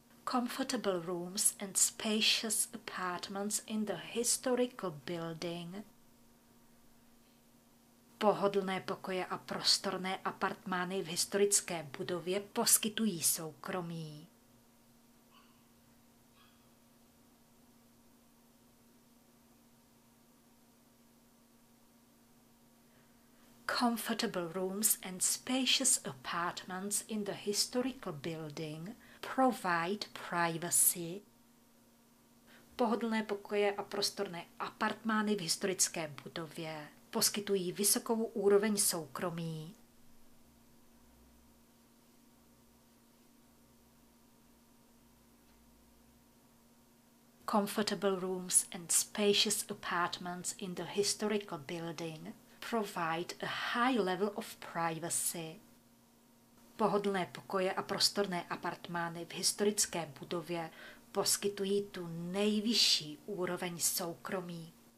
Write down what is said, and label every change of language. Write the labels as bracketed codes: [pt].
[en] Comfortable rooms and spacious apartments in the historical building. [cs] Pohodlné pokoje a prostorné apartmány v historické budově poskytují soukromí. [en] Comfortable rooms and spacious apartments in the historical building provide privacy. [cs] Pohodlné pokoje a prostorné apartmány v historické budově poskytují vysokou úroveň soukromí. [en] Comfortable rooms and spacious apartments in the historical building provide a high level of privacy. [cs] Pohodlné pokoje a prostorné apartmány v historické budově poskytují tu nejvyšší úroveň soukromí.